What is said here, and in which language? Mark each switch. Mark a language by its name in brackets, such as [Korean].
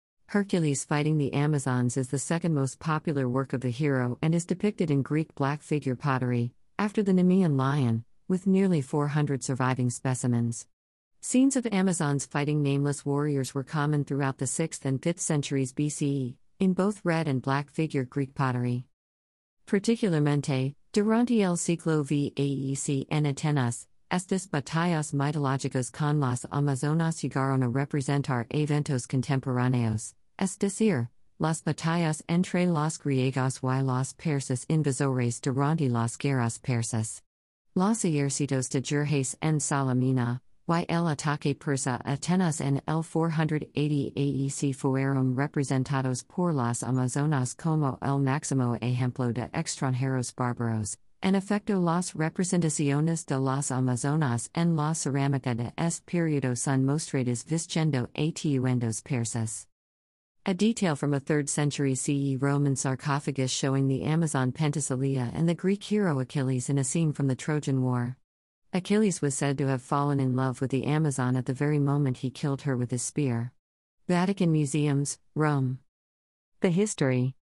[English] Hercules fighting the Amazons is the second most popular work of the hero and is depicted in Greek black figure pottery, after the Nemean lion, with nearly 400 surviving specimens. Scenes of Amazons fighting nameless warriors were common throughout the 6th and 5th centuries BCE, in both red and black figure Greek pottery. [Spanish] Particularmente, durante el siglo VIII en Atenas, estas batallas mitológicas con las Amazonas llegaron a representar eventos contemporáneos, es decir, las batallas entre los griegos y los persas invasores durante las guerras persas. Los ejércitos de Gerges en Salamina, y el ataque persa a Atenas en el 480 AEC fueron representados por las Amazonas como el máximo ejemplo de extranjeros bárbaros, en efecto las representaciones de las Amazonas en la cerámica de este periodo son mostradas vistiendo atuendos persas. [English] A detail from a 3rd century CE Roman sarcophagus showing the Amazon Penthesilea and the Greek hero Achilles in a scene from the Trojan War. Achilles was said to have fallen in love with the Amazon at the very moment he killed her with his spear. Vatican Museums, Rome. The History.